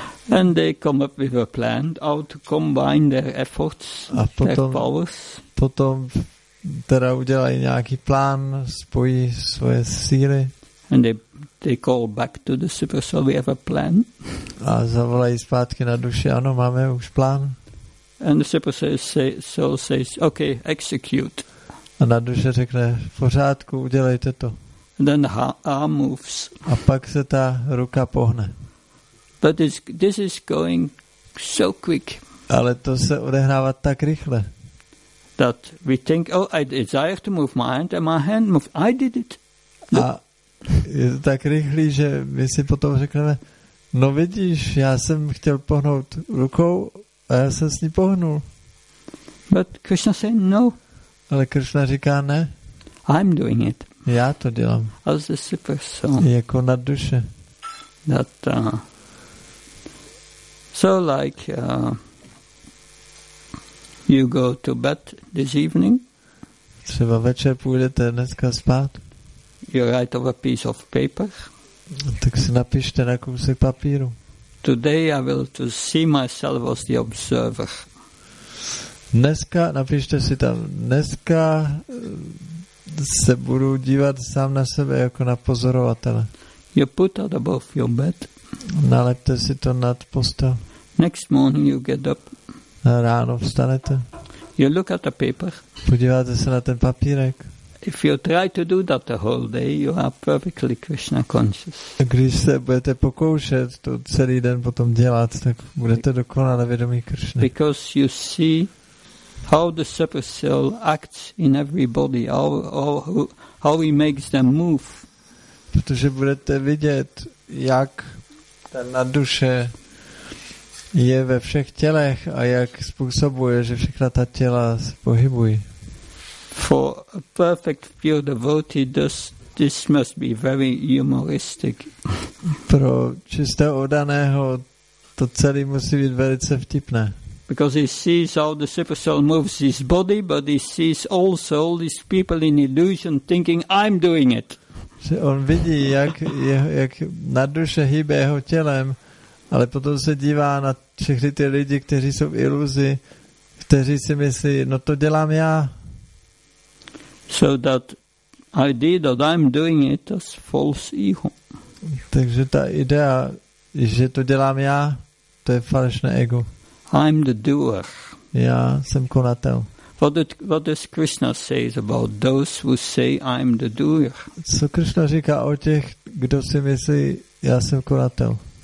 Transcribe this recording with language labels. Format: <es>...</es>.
<en>And they come up with a plan how to combine their efforts, their powers.</en> <cs>Potom teda udělají nějaký plán, spojí svoje síly.</cs> <en>And they call back to the super soul, we have a plan.</en> <cs>A zavolají zpátky na duši, ano, máme už plán.</cs> <en>And the super soul says, okay, execute.</en> <cs>A na duše řekne, v pořádku, udělejte to.</cs> <en>And then the arm moves.</en> <cs>A pak se ta ruka pohne.</cs> <en>But this is going so quick.</en> <cs>Ale to se odehrává tak rychle.</cs> <en>that we think, oh, I desire to move my hand and my hand move. I did it. Look.</en> <cs>A je to tak rychlý, že my si potom řekneme, no vidíš, já jsem chtěl pohnout rukou a já jsem s ní pohnul.</cs> <en>But Krishna said no.</en> <cs>Ale Krishna říká ne.</cs> <en>I'm doing it.</en> <cs>Já to dělám.</cs> <en>As the super soul.</en> <cs>Jako na duše.</cs> <en>That, so like you go to bed this evening.</en> <cs>Třeba večer půjdete dneska spát.</cs> <en>You write over a piece of paper.</en> <cs>Tak si napište na kousek papíru.</cs> <en>Today I will to see myself as the observer.</en> <cs>Dneska napište si tam, dneska se budu dívat sám na sebe jako na pozorovatele.</cs> <en>You put that above your bed.</en> <cs>Nalepte si to nad postel.</cs> <en>Next morning you get up.</en> <cs>A ráno vstanete.</cs> <en>You look at the paper.</en> <cs>Podíváte se na ten papírek.</cs> <en>If you try to do that the whole day, you are perfectly Krishna conscious.</en> <cs>Když se budete pokoušet to celý den potom dělat, tak budete dokonale vědomí Krishna.</cs> <en>Because you see how the super soul acts in everybody, how he makes them move.</en> <cs>Protože budete vidět, jak ten na duše je ve všech tělech a jak způsobuje, že všechna ta těla se pohybují.</cs> <en>For a perfect pure devotee, this must be very humoristic.</en> <cs>Pro čistého oddaného to celé musí být velice vtipné.</cs> <en>Because he sees how the super soul moves his body, but he sees also all these people in illusion thinking, I'm doing it.</en> <cs>Že on vidí, jak, jak na duše hýbe jeho tělem, ale potom se dívá na všechny ty lidi, kteří jsou v iluzi, kteří si myslí, no to dělám já.</cs> <en>So that idea that I'm doing it is false ego.</en> <cs>Takže ta idea, že to dělám já, to je falešné ego.</cs> <en>I'm the doer.</en> <cs>Já jsem konatel.</cs> <en>What does Krishna say about those who say I'm the doer?</en> <cs>Co Krishna říká o těch, kdo si myslí, já jsem konatel?</cs>